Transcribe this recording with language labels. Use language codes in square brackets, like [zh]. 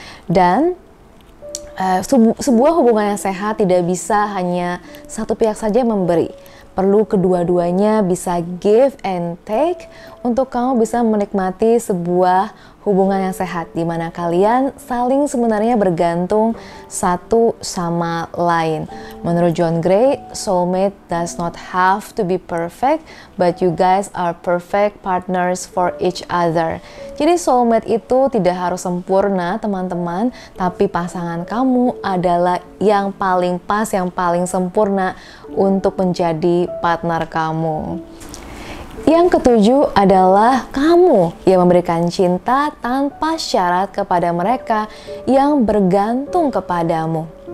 [id] Dan sebuah hubungan yang sehat tidak bisa hanya satu pihak saja memberi. Perlu kedua-duanya bisa give and take untuk kamu bisa menikmati sebuah hubungan yang sehat di mana kalian saling sebenarnya bergantung satu sama lain. [en] Menurut John Gray, soulmate does not have to be perfect, but you guys are perfect partners for each other. [id] Jadi soulmate itu tidak harus sempurna, teman-teman, tapi pasangan kamu adalah yang paling pas, yang paling sempurna untuk menjadi partner kamu. Yang ketujuh adalah kamu yang memberikan cinta tanpa syarat kepada mereka yang bergantung kepadamu.